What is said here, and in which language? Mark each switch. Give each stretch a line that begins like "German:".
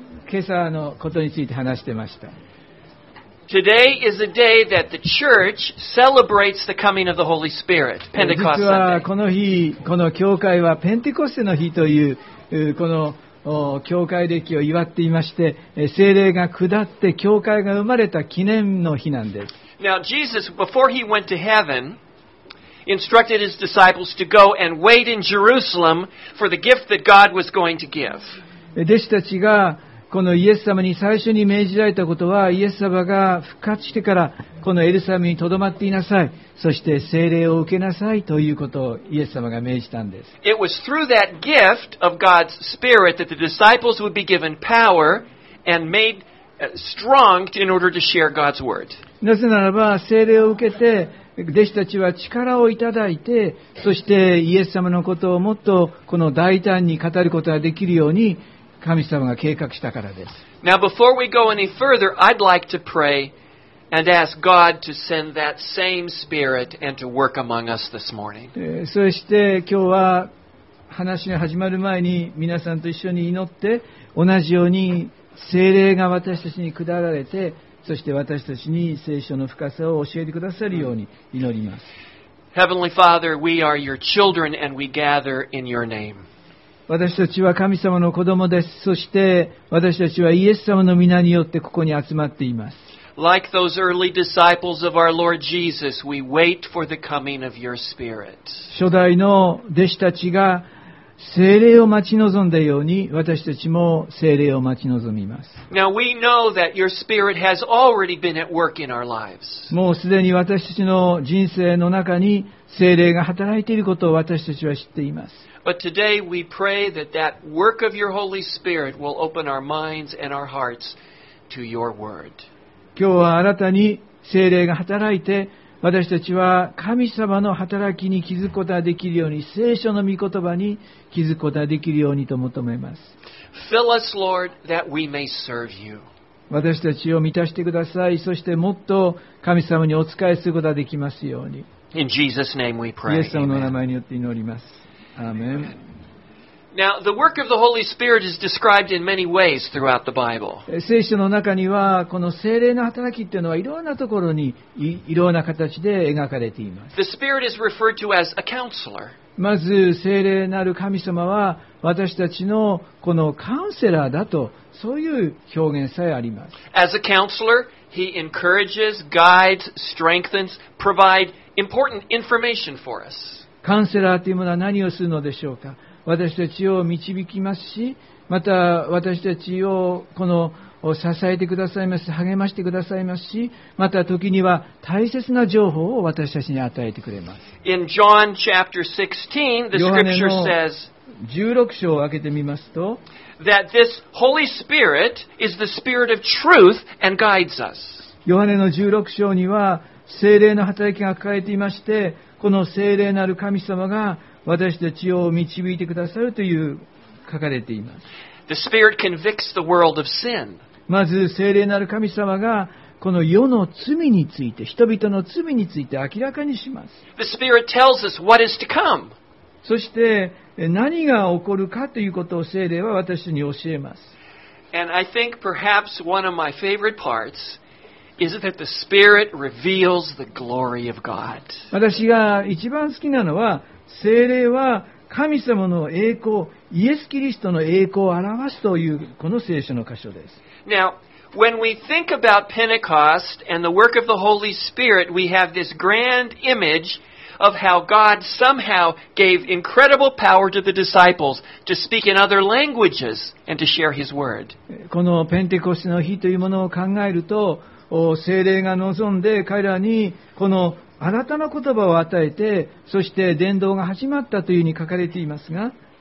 Japanese: 今朝のことについて話してました。
English: Today is the day that the church celebrates the coming of the Holy Spirit, Pentecost Sunday.
Japanese: 実はこの日、この教会はペンテコステの日という、この教会歴を祝っていまして、聖霊が下って教会が生まれた記念の日なんです。
English: Now, Jesus, before he went to heaven, instructed his disciples to go and wait in Jerusalem for the gift that God was going to give.
Japanese: 弟子たちがこのイエス様に最初に命じられたことは、イエス様が復活してからこのエルサレムに留まっていなさい、そして聖霊を受けなさいということをイエス様が命じたんです。
English: It was through that gift of God's Spirit that the disciples would be given power and made strong in order to share God's word.
Japanese: なぜならば聖霊を受けて弟子たちは力をいただいて、そしてイエス様のことをもっとこの大胆に語ることができるように神様が計画したからです。
English: Now before we go any further, I'd like to pray and ask God to send that same Spirit and to work among us this morning.
Japanese: そして今日は話が始まる前に皆さんと一緒に祈って、同じように聖霊が私たちに下られて、そして私たちに聖書の深さを教えてくださるように祈ります。
English: Heavenly Father, we are your children and we gather in your name.
Japanese: 私たちは神様の子供です。そして私たちはイエス様の御名によってここに集まっています。
English: Like those early disciples of our Lord Jesus, we wait for the coming of your Spirit.
Japanese: 初代の弟子たちが聖霊を待ち望んだように、私たちも聖霊を待ち望みます。
English: Now we know that your Spirit has already been at work in our lives.
Japanese: もうすでに私たちの人生の中に聖霊が働いていることを私たちは知っています。
English: But today we pray that that work of your Holy Spirit will open our minds and our hearts to your word.
Japanese: 今日は新たに聖霊が働いて、私たちは神様の働きに気づくことができるように、聖書の御言葉に気づくことができるようにと求めます。
English: Fill us, Lord, that we may serve you.
Japanese: 私たちを満たしてください。そしてもっと神様にお仕えすることができますように。
English: In Jesus' name we pray.
Japanese: イエス様の名前によって祈ります。アーメン。
English: Now, the work of the Holy Spirit is described in many ways throughout the Bible.
Japanese: 聖書の中にはこの聖霊の働きっていうのはいろんなところに いろんな形で描かれています。
English: The Spirit is referred to as a counselor.
Japanese: まず聖霊なる神様は私たちのこのカウンセラーだと、そういう表現さえあります。
English: As a counselor, he encourages, guides, strengthens, provide important information for us.
Japanese: カウンセラーというものは何をするのでしょうか。私たちを導きますし、また私たちをこの支えてくださいます、励ましてくださいますし、また時には大切な情報を私たちに与えてくれます。
English: In John chapter 16, the scripture says,
Japanese: ヨハネの16章を開けてみますと、
English: that this Holy Spirit is the Spirit of truth and guides us.
Japanese: ヨハネの16章には聖霊の働きが書かれていまして、この聖霊なる神様が私たちを導いてくださるという書かれています。
English: The Spirit convicts the world of sin.
Japanese: まず聖霊なる神様がこの世の罪について、人々の罪について明らかにします。
English: The Spirit tells us what is to come.
Japanese: そして何が起こるかということを聖霊は私に教えます。
English: And I think perhaps one of my favorite partsIs that the Spirit reveals the glory of God.
Japanese: 私が一番好きなのは、聖霊は神様の栄光、イエス・キリストの栄光を表すというこの聖書の箇所です。
English: Now, when we think about Pentecost and the work of the Holy Spirit, we have this grand image of how God somehow gave incredible power to the disciples to speak in other languages and to share His word.
Japanese: このペンテコステの日というものを考えると、聖霊が望んで彼らにこの新たな言葉を与えて、そして伝道が始まったというふうに書かれていますが、